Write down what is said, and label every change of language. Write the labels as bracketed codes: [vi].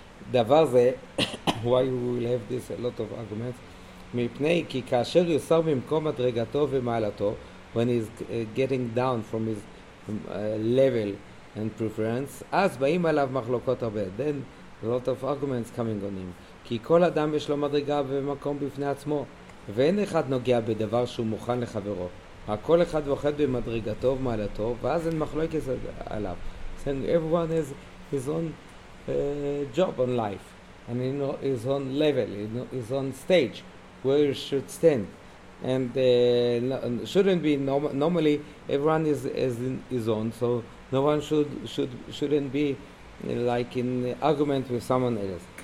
[he] דבר זה, [en] why we will have this a lot of arguments? [he] מפני כי כאשר יוסר ממקום מדרגתו ומעלתו, [en] when he's getting down from his level and preference, [he] אז באים עליו מחלוקות הרבה. [en] Then a lot of arguments coming on him. [he] כי כל אדם יש לו מדרגה ומקום בפני עצמו, ואין אחד נוגע בדבר שהוא מוכן לחברו. הכל אחד וחד במדרגתו ומעלתו, ואז אין מחלוקת עליו. [en] Saying everyone has his own job on life, and you know his own level, you know his own stage, where he should stand, and shouldn't be normally everyone is in his own, so no one shouldn't be like in argument with someone else.